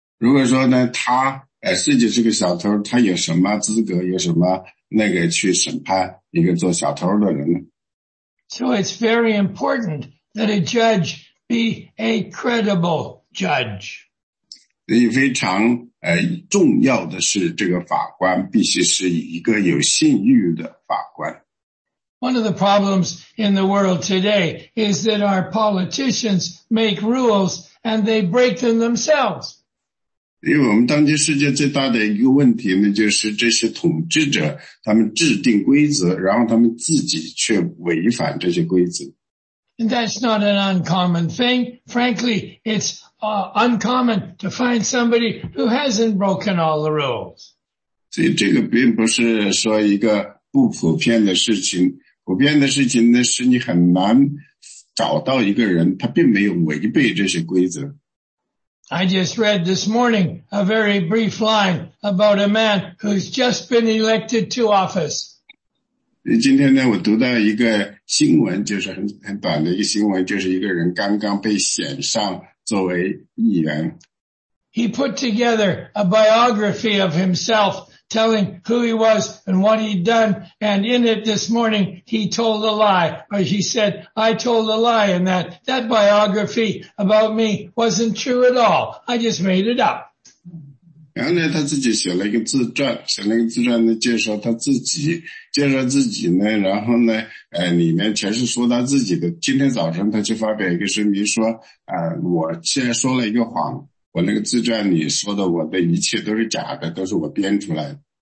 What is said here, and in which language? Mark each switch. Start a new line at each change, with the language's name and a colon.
Chinese: 如果说呢，他自己是个小偷，他有什么资格，有什么那个去审判一个做小偷的人呢？
English: So it's very important. That a judge be a credible judge.
Chinese: 所以非常重要的是这个法官必须是一个有信誉的法官。
English: One of the problems in the world today is that our politicians make rules and they break them themselves.
Chinese: 因为我们当今世界最大的一个问题呢，就是这些统治者他们制定规则，然后他们自己却违反这些规则。
English: And that's not an uncommon thing. Frankly, it's uncommon to find somebody who hasn't broken all the rules.
Chinese: 所以这个并不是说一个不普遍的事情。普遍的事情呢，是你很难找到一个人，他并没有违背这些规则。
English: I just read this morning a very brief line about a man who's just been elected to office.
Chinese: 今天呢，我读到一个新闻，就是很短的一个新闻，就是一个人刚刚被选上作为议员。
English: He put together a biography of himself telling who he was and what he'd done. And in it this morning, he told a lie. Or he said, I told a lie in that. That biography about me wasn't true at all. I just made it up.
Chinese: 然后呢，他自己写了一个自传，写了一个自传呢，介绍他自己，介绍自己呢，然后呢，里面全是说他自己的。今天早晨他就发表一个声明说，我现在说了一个谎，我那个自传里说的我的一切都是假的，都是我编出来的。